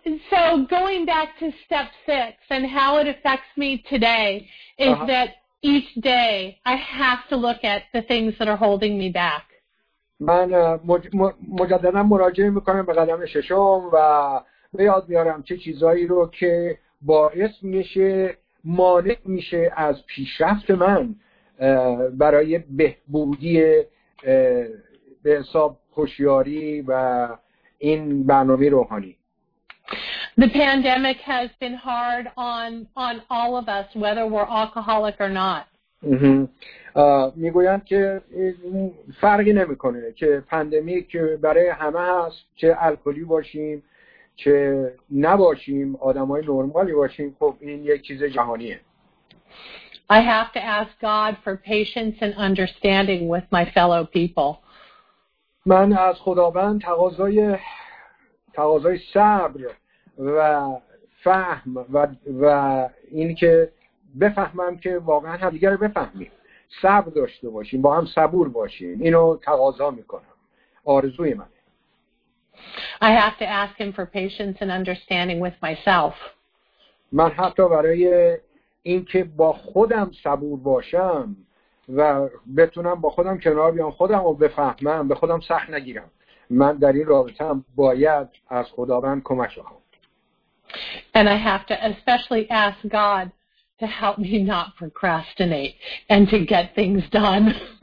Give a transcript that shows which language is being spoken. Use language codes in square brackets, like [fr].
[en] So going back to step 6 and how it affects me today is that each day I have to look at the things that are holding me back. [fa] من مجددا مراجعه میکنم به قدم ششم و به یاد میارم چه چیزایی رو که باعث میشه، مانع میشه از پیشرفت من برای بهبودی به حساب خوشیاری و این برنامه روحانی. [en] The pandemic has been hard on all of us, whether we're alcoholic or not. [fa] میگویند که فرقی نمیکنه که پاندمیک برای همه هست، چه الکلی باشیم چه نباشیم، آدمای نرمالی باشیم، خب این یک چیز جهانیه. [en] I have to ask God for patience and understanding with my fellow people. [fa] من از خداوند تقاضای صبر و فهم و این که بفهمم که واقعا همدیگه رو بفهمیم، صبر داشته باشیم، با هم صبور باشیم، اینو تقاضا میکنم، آرزوی منه. [en] I have to ask him for patience and understanding with myself. [fa] من حتی برای این که با خودم صبور باشم و بتونم با خودم کنار بیام، خودم رو بفهمم، به خودم سخت نگیرم، من در این رابطه‌ام باید از خداوند کمک بخوام. [en] And I have to especially ask God to help me not procrastinate and to get things done.